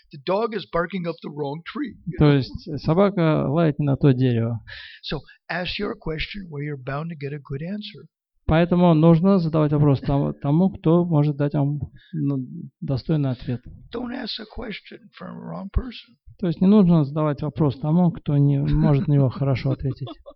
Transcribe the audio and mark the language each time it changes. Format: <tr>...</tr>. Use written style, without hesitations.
<en>The dog is barking up the wrong tree.</en> <ru>То есть собака лает не на то дерево.</ru> <en>So ask your question where you're bound to get a good answer.</en> <ru>Поэтому нужно задавать вопрос тому, кто может дать вам достойный ответ.</ru> <en>Don't ask a question from a wrong person.</en> <ru>То есть не нужно задавать вопрос тому, кто не может на него хорошо ответить.</ru>